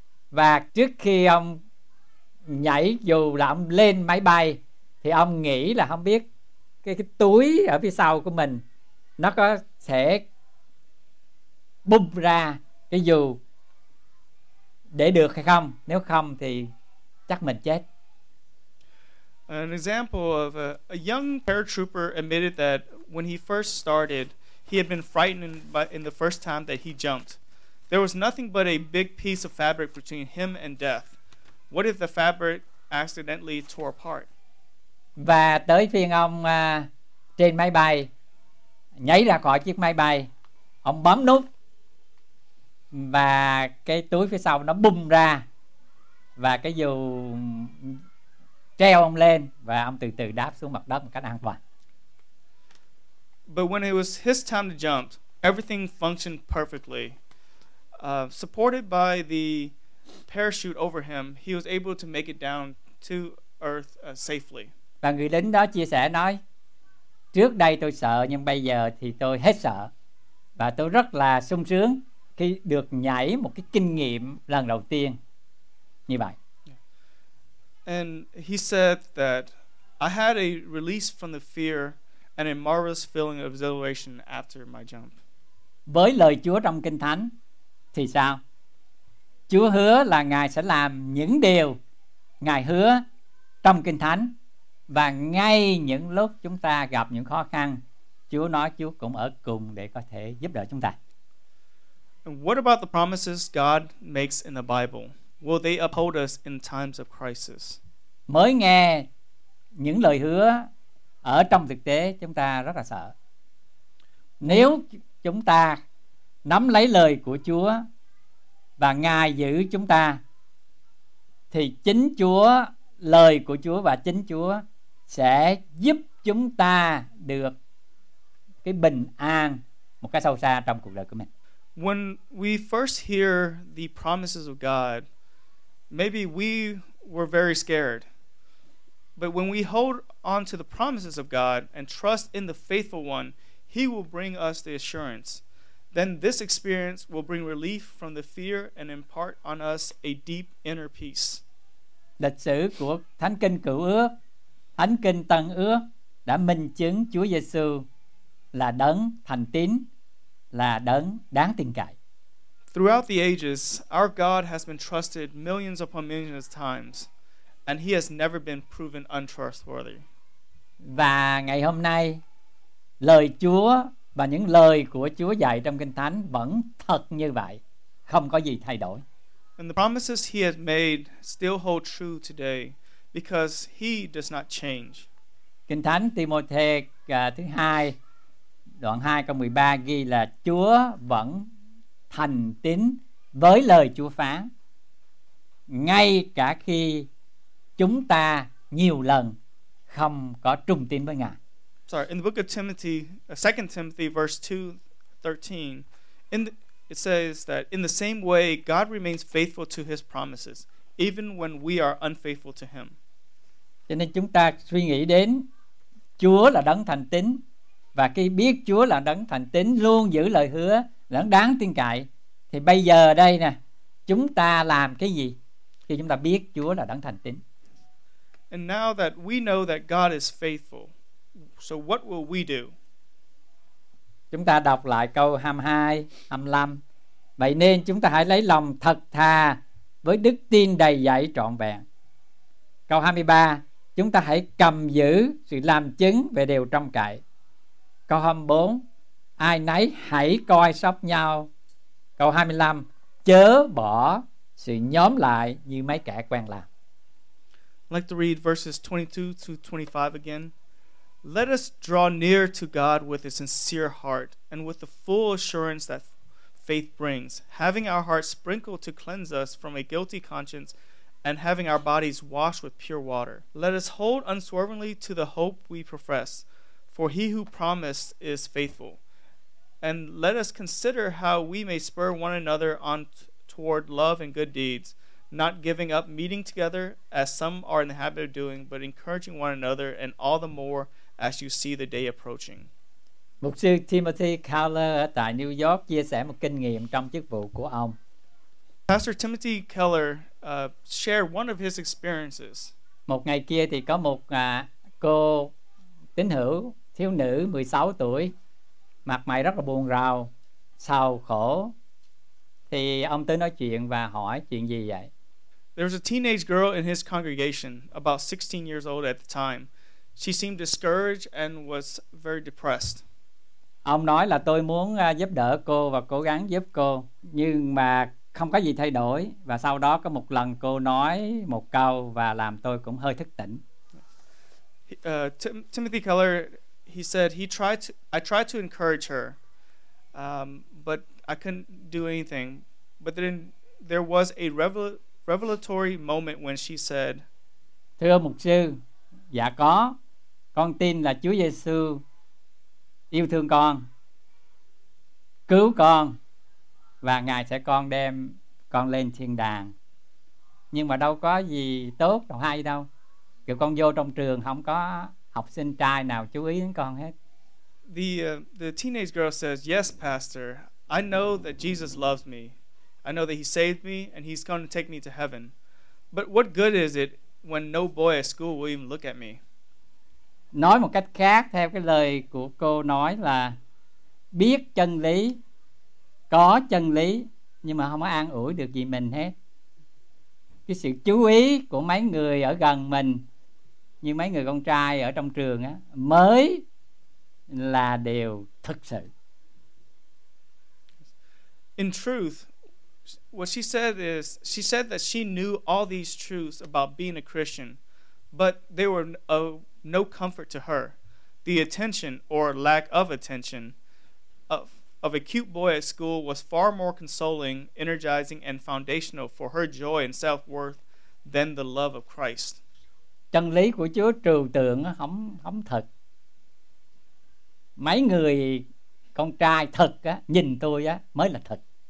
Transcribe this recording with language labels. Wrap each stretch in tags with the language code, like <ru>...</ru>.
<vi>Và trước khi ông nhảy dù là ông lên máy bay thì ông nghĩ là không biết cái túi ở phía sau của mình nó có sẽ bung ra cái dù để được hay không. Nếu không thì chắc mình chết.</vi> <en>An example of a young paratrooper admitted that when he first started, he had been frightened in the first time that he jumped. There was nothing but a big piece of fabric between him and death. What if the fabric accidentally tore apart?</en> <vi>Và tới phiên ông trên máy bay, nhảy ra khỏi chiếc máy bay, ông bấm nút và cái túi phía sau nó bung ra và cái dù treo ông lên và ông từ từ đáp xuống mặt đất một cách an toàn.</vi> <en>But when it was his time to jump, everything functioned perfectly. Supported by the parachute over him, he was able to make it down to earth safely.</en> <vi>Và người lính đó chia sẻ nói, trước đây tôi sợ nhưng bây giờ thì tôi hết sợ. Và tôi rất là sung sướng khi được nhảy một cái kinh nghiệm lần đầu tiên như vậy.</vi> <en>And he said that I had a release from the fear and a marvelous feeling of exhilaration after my jump.</en> <vi>Với lời Chúa trong Kinh Thánh thì sao? Chúa hứa là Ngài sẽ làm những điều Ngài hứa trong Kinh Thánh, và ngay những lúc chúng ta gặp những khó khăn, Chúa nói Chúa cũng ở cùng để có thể giúp đỡ chúng ta.</vi> <en>And what about the promises God makes in the Bible? Will they uphold us in times of crisis?</en> <vi>Mới nghe những lời hứa ở trong thực tế chúng ta rất là sợ. Nếu chúng ta nắm lấy lời của Chúa và Ngài giữ chúng ta thì chính Chúa, lời của Chúa và chính Chúa sẽ giúp chúng ta được cái bình an một cách sâu xa trong cuộc đời của mình.</vi> <en>When we first hear the promises of God, maybe we were very scared. But when we hold on to the promises of God and trust in the faithful one, he will bring us the assurance. Then this experience will bring relief from the fear and impart on us a deep inner peace.</en> <vi>Lịch sử của Thánh Kinh Cựu Ước, Thánh Kinh Tân Ước đã minh chứng Chúa Giêsu là đấng thành tín, là đấng đáng tin cậy.</vi> <en>Throughout the ages, our God has been trusted millions upon millions of times, and he has never been proven untrustworthy.</en> <vi>Và ngày hôm nay, lời Chúa và những lời của Chúa dạy trong Kinh Thánh vẫn thật như vậy, không có gì thay đổi.</vi> <en>And the promises he has made still hold true today because he does not change.</en> <vi>Kinh Thánh Timôthê thứ 2 đoạn 2 câu 13 ghi là Chúa vẫn thành tín với lời Chúa phán ngay cả khi chúng ta nhiều lần không có trung tín với Ngài.</vi> <en>Sorry, in the book of Timothy, 2 Timothy verse 2:13, it says that in the same way God remains faithful to his promises even when we are unfaithful to him.</en> <vi>Cho nên chúng ta suy nghĩ đến Chúa là đấng thành tín, và khi biết Chúa là đấng thành tín luôn giữ lời hứa đáng đáng tin cậy, thì bây giờ đây nè, chúng ta làm cái gì khi chúng ta biết Chúa là đấng thành tín?</vi> <en>And now that we know that God is faithful, so what will we do?</en> <vi>Chúng ta đọc lại câu 22, 25. Vậy nên chúng ta hãy lấy lòng thật thà với đức tin đầy dẫy trọn vẹn. Câu 23, chúng ta hãy cầm giữ sự làm chứng về điều trong cậy. Câu 24, ai nấy hãy coi sóc nhau. Câu 25, chớ bỏ sự nhóm lại như mấy kẻ quen làm.</vi> <en>I'd like to read verses 22 to 25 again. Let us draw near to God with a sincere heart and with the full assurance that faith brings, having our hearts sprinkled to cleanse us from a guilty conscience and having our bodies washed with pure water. Let us hold unswervingly to the hope we profess, for he who promised is faithful. And let us consider how we may spur one another on toward love and good deeds, not giving up meeting together, as some are in the habit of doing, but encouraging one another, and all the more as you see the day approaching.</en> <vi>Mục sư Timothy Keller ở tại New York chia sẻ một kinh nghiệm trong chức vụ của ông.</vi> <en>Pastor Timothy Keller shared one of his experiences.</en> <vi>Một ngày kia thì có một cô tín hữu thiếu nữ 16 tuổi, mặt mày rất là buồn rầu, sầu khổ. Thì ông tới nói chuyện và hỏi chuyện gì vậy?</vi> <en>There was a teenage girl in his congregation, about 16 years old at the time. She seemed discouraged and was very depressed.</en> <vi>Ông nói là tôi muốn giúp đỡ cô và cố gắng giúp cô, nhưng mà không có gì thay đổi. Và sau đó có một lần cô nói một câu và làm tôi cũng hơi thức tỉnh.</vi> <en>Timothy Keller, he said I tried to encourage her, but I couldn't do anything. But then there was a revelatory moment when she said,</en> <vi>"Thưa mục sư, dạ có, con tin là Chúa Giêsu yêu thương con, cứu con và Ngài sẽ con đem con lên thiên đàng. Nhưng mà đâu có gì tốt đâu hay đâu. Kiểu con vô trong trường không có học sinh trai nào chú ý đến con hết."</vi> <en>The teenage girl says, "Yes, Pastor, I know that Jesus loves me. I know that he saved me and he's going to take me to heaven. But what good is it when no boy at school will even look at me?"</en> <vi>Nói một cách khác, theo cái lời của cô nói là biết chân lý, có chân lý, nhưng mà không có an ủi được gì mình hết. Cái sự chú ý của mấy người ở gần mình, như mấy người con trai ở trong trường á, mới là điều thực sự.</vi> <en>In truth, what she said is, she said that she knew all these truths about being a Christian, but they were no comfort to her. The attention, or lack of attention, of a cute boy at school was far more consoling, energizing, and foundational for her joy and self-worth than the love of Christ.</en> <vi>Chân lý của Chúa trừu tượng không thật. Mấy người con trai thật á, nhìn tôi á, mới là thật.</vi>